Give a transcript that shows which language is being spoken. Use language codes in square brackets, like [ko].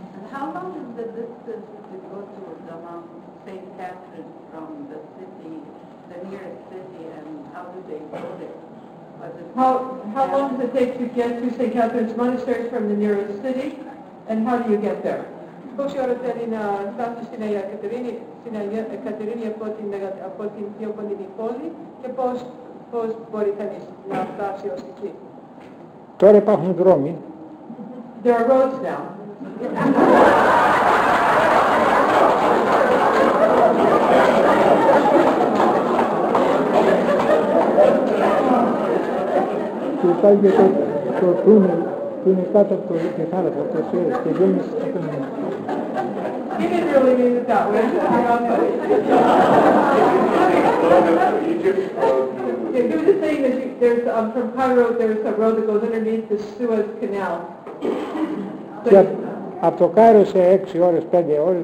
[en] How long is the distance to go to Dhamma, St. Catherine, from the city, the nearest city, and how do they go there? How long does it take to get to St. Catherine's monastery from the nearest city, and how do you get there? [el] Πόση ώρα θέλει να φτάσει στην Αγία Κατερίνη, από την πιο κοντινή πόλη και πώς μπορεί κανείς να φτάσει ως εκεί. Τώρα υπάρχουν δρόμοι. [en] There are roads now. [el] Και υπάρχει το τούνελ που είναι κάτω από τη θάλασσα, από το Σουέζ και γέμισε το τούνελ. [en] He was just saying that from Cairo there's a road that goes underneath the Suez Canal. [el] Από το Κάιρο σε 6 ώρες, 5 ώρες.